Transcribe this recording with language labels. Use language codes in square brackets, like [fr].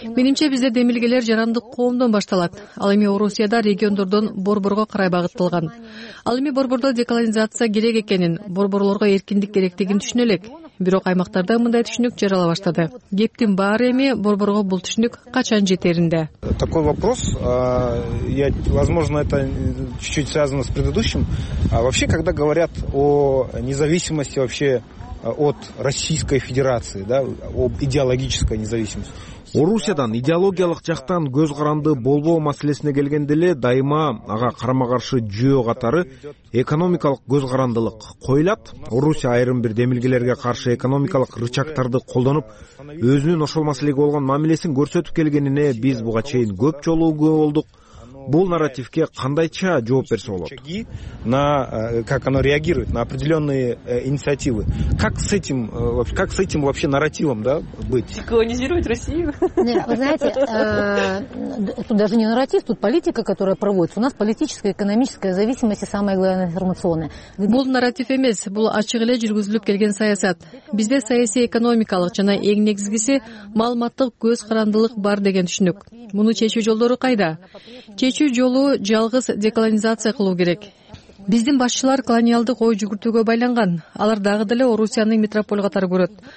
[ky] Менимче бизде демилгелер жарандык коомдон башталат. Ал эми Орусияда региондордон борборго карай багытталган. Ал эми борбордо деколонизация керек экенин, борборлорго эркиндик керектигин түшүнө элек. Бирок аймактарда мындай түшүнүк жарала баштады. Кептин баары эми борборго бул түшүнүк качан жетеринде? [ru] Такой вопрос, я, возможно, это чуть-чуть связано с предыдущим. А вообще, когда говорят о независимости вообще от Российской Федерации, да, об идеологической независимости. [ky] Орусиядан идеологиялык жактан көз каранды болбоо маселесине келгенде эле дайыма ага карама-каршы жүйө катары экономикалык көз карандылык коюлат. Орусия айрым бир демилгелерге каршы экономикалык рычагтарды колдонуп, өзүнүн ошол маселеге болгон мамилесин көрсөтүп келгенине биз буга чейин көп жолугуп болдук. Бул нарративке кандайча жооп берсе болот? [ru] На как оно реагирует на определенные инициативы? Как с этим вообще нарративом, да, быть? Деколонизировать Россию? Нет, вы знаете, тут даже не нарратив, тут политика, которая проводится. У нас политическая, экономическая зависимость и самое главное информационная. [ky] Бул нарратив эмес, бул ачык эле жүргүзүлүп келген саясат. Бизде саясий экономикалык жана эң негизгиси маалыматтык көз карандылык бар деген түшүнүк. Муну чечүү жолдору кайда? Чечүү жолу жалгыз деколонизация кылуу керек. Биздин башчылар колониалдык ой жүгүртүүгө байланган. Алар дагы деле Орусиянын метрополь катары көрөт.